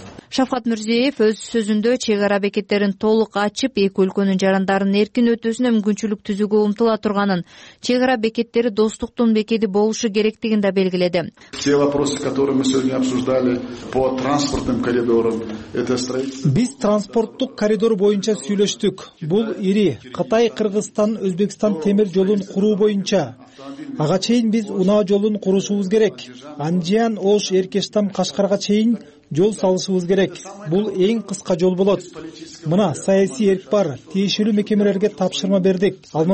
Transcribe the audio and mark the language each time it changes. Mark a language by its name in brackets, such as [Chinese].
[Kyrgyz] Шавкат Мирзиёев өз сөзүндө чек ара бекеттерин толук ачып, эки өлкөнүн жарандарынын эркин өтүүсүнө мүмкүнчүлүк түзүүгө умтула турганын, чек ара бекеттери достуктун бекети болушу керектигин да белгиледи. [Russian] Все вопросы, которые мы сегодня обсуждали по транспортным коридорам, это строительство. [Kyrgyz] Биз транспорттук коридор боюнча сүйлөштүк. Бул ири Кытай, Кыргызстан, Өзбекстан темир жолун куруу боюнча. Ага чейин биз унаа жолун курушубуз керек. Анжиян, Ош, Эркештам, Кашкарга чейин жол салышыбыз керек. Бул эң кыска жол болот. Мына саясий эрк бар, тиешелүү мекемелерге тапшырма бердик.